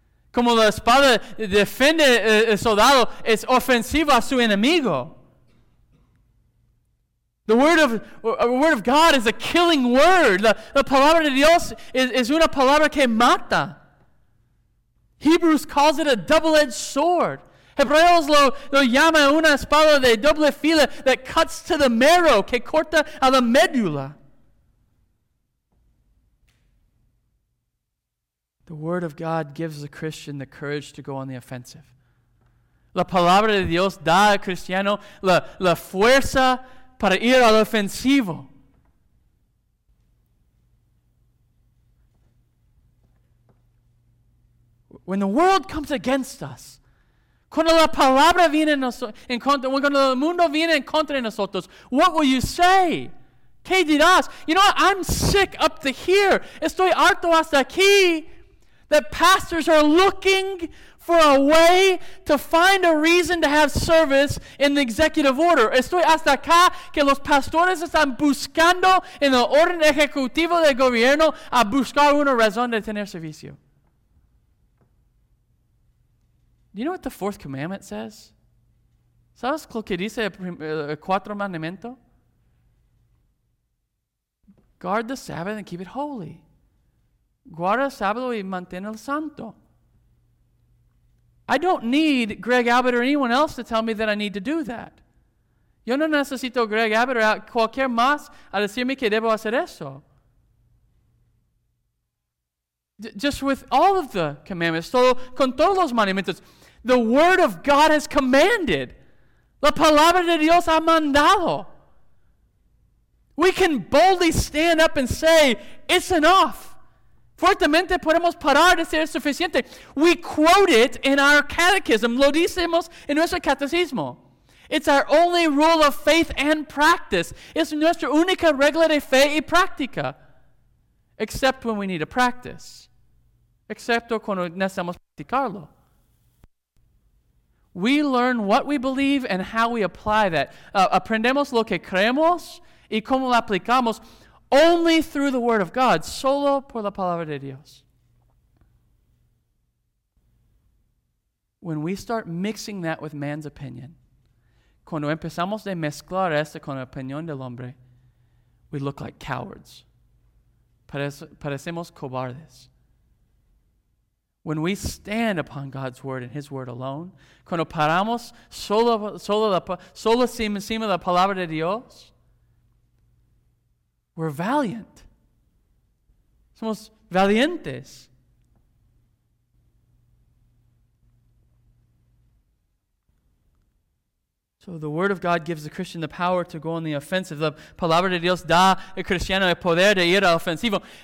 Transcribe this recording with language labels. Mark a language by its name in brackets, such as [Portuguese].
[Spanish] Como la espada defiende el soldado, es ofensivo a su enemigo. [English] The word of God is a killing word. [Spanish] La palabra de Dios is una palabra que mata. [English] Hebrews calls it a double-edged sword. [Spanish] Hebreos lo llama una espada de doble filo [English] that cuts to the marrow, [Spanish] que corta a la médula. [English] The word of God gives the Christian the courage to go on the offensive. [Spanish] La palabra de Dios da al cristiano la fuerza para ir al ofensivo. [English] When the world comes against us, [Spanish] cuando la palabra viene en contra, cuando el mundo viene en contra de nosotros, [English] what will you say? ¿Qué dirás? You know what? I'm sick up to here. [Spanish] Estoy harto hasta aquí. [English] That pastors are looking for a way to find a reason to have service in the executive order. [Spanish] Estoy hasta acá que los pastores están buscando en el orden ejecutivo del gobierno a buscar una razón de tener servicio. [English] Do you know what the fourth commandment says? [Spanish] ¿Sabes lo que dice el cuarto mandamiento? [English] Guard the Sabbath and keep it holy. [Spanish] Guarda el sábado y mantén el santo. [English] I don't need Greg Abbott or anyone else to tell me that I need to do that. [Spanish] Yo no necesito Greg Abbott o cualquier más a decirme que debo hacer eso. [English] Just with all of the commandments, [Spanish] con todos los mandamientos, [English] the word of God has commanded. [Spanish] La palabra de Dios ha mandado. [English] We can boldly stand up and say, it's enough. [Spanish] Fuertemente podemos parar de ser suficiente. [English] We quote it in our catechism. [Spanish] Lo decimos en nuestro catecismo. [English] It's our only rule of faith and practice. [Spanish] Es nuestra única regla de fe y práctica. [English] Except when we need a practice. [Spanish] Excepto cuando necesitamos practicarlo. [English] We learn what we believe and how we apply that. [Spanish] Aprendemos lo que creemos y cómo lo aplicamos. [English] Only through the word of God, [Spanish] solo por la palabra de Dios. [English] When we start mixing that with man's opinion, [Spanish] cuando empezamos de mezclar esto con la opinión del hombre, [English] we look like cowards. [Spanish] Parecemos cobardes. [English] When we stand upon God's word and his word alone, [Spanish] cuando paramos solo encima de la palabra de Dios, [English] we're valiant. [Spanish] Somos valientes. [English] So the word of God gives the Christian the power to go on the offensive. [Spanish] La palabra de Dios da al cristiano el poder de ir al ofensivo.